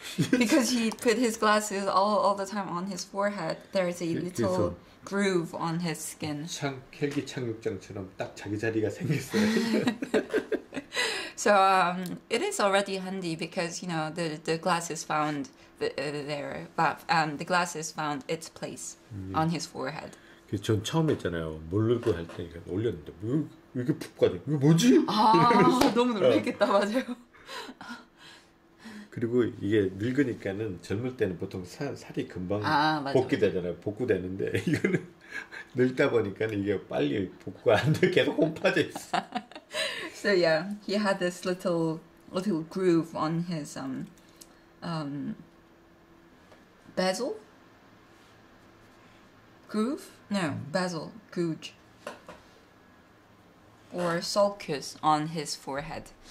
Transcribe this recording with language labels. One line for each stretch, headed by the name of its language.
English: because he put his glasses all the time on his forehead, there is a little groove on his skin.
Korean: 헬기 착륙장처럼 딱 자기 자리가 생겼어요.
English: So it is already handy because you know the glasses found there, but the glasses found its place on his forehead.
Korean: 전 처음 했잖아요. 모르고 할 때 올렸는데 왜 이렇게 푹 가지? 이거 뭐지? 아 너무 놀랬겠다 맞아요. 그리고 이게 늙으니까는 젊을 때는 보통 살이 금방 복귀되잖아요. 복구되는데 이거는 늙다 보니까는 이게 빨리 복구가 안 돼. 계속 홈파져 있어.
English: So yeah, he had this little groove on his bezel? Groove? No, bezel. Gouge. Or sulcus on his forehead.